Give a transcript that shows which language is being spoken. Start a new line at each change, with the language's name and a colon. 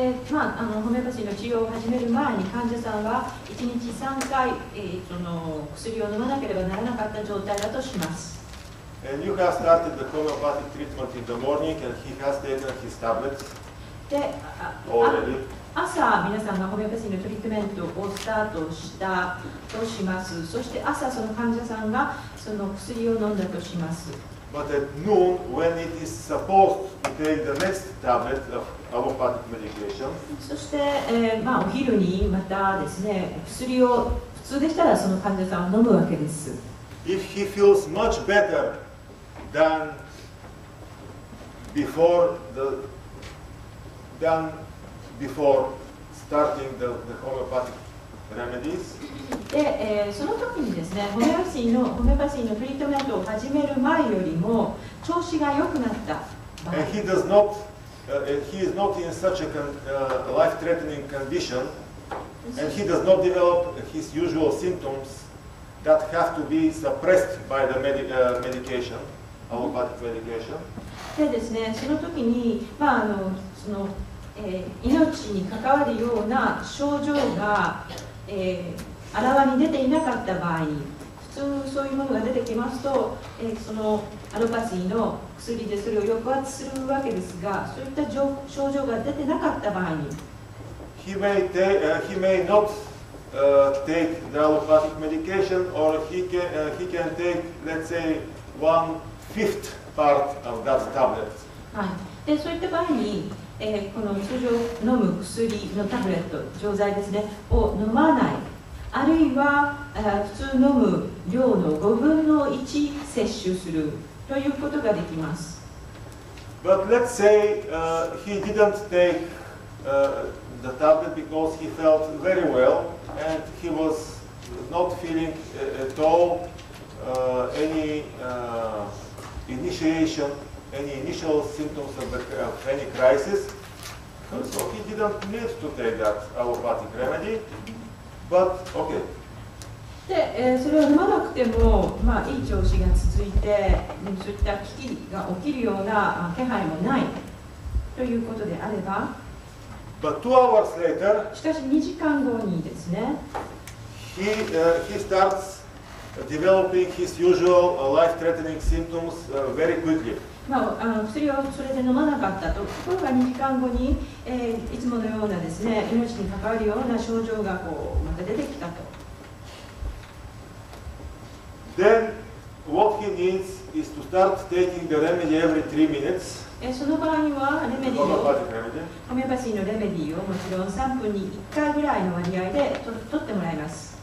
Japanese: まあ、ホメオパシーの治療を始める前に患者さんは1日3回、その薬を飲まなければならなかった状態だとします。
English: And you have started the homeopathic treatment in the morning and he has taken his tablets already.
Japanese: 朝皆さんがホメオパシーのトリートメントをスタートしたとします。そして朝その患者さんがその薬を飲んだとします。
English: But at noon when it is supposed to take the next tablet of homeopathic medication.
Japanese: そして、まあ、お昼にまたですね薬を普通でしたらその患者さんは飲むわけです。
English: If he feels much better than before the thanBefore starting the homeopathic remedies.
Japanese: で、その時にですね、ホメオパシーのトリートメントを始める前よりも調子が良くなった場合。
English: And he does not, he is not in such a life-threatening condition, and he does not develop his usual symptoms that have to be suppressed by the medication, homeopathic medication.
Japanese: でですね、その時に、まあ、その命に関わるような症状が、あらわに出ていなかった場合、普通そういうものが出てきますと、そのアロパシーの薬でそれを抑圧するわけですが、そういった症状が出てなかった場合に、
English: he may not take the allopathic medication, or he can take, let's say, one fifth part of that tablet.
Japanese: はい。で、そういった場合に。この通常飲む薬のタブレット、錠剤ですね、を飲まない、あるいは普通飲む量の5分の1摂取するということができます。
English: But let's say he didn't take the tablet because he felt very well and he was not feeling at all any initiation. Any initial symptoms of any crisis, so he didn't need to take that allopathic remedy. But okay.
Japanese: で、それを飲まなくても、まあいい調子が続いて、そういった危機が起きるような気配もないということであれば、
English: But 2 hours later,
Japanese: しかし2時間後にですね、
English: he starts developing his usual life-threatening symptoms very quickly.
Japanese: まあ、薬をそれで飲まなかったところが2時間後に、いつものようなですね、命に関わるような症状がこうまた出てきたと。
English: Then, what he needs is to start taking the remedy every 3 minutes.
Japanese: その場合には、ホメオパシーのレメディーをもちろん3分に1回ぐらいの割合で取ってもらいます。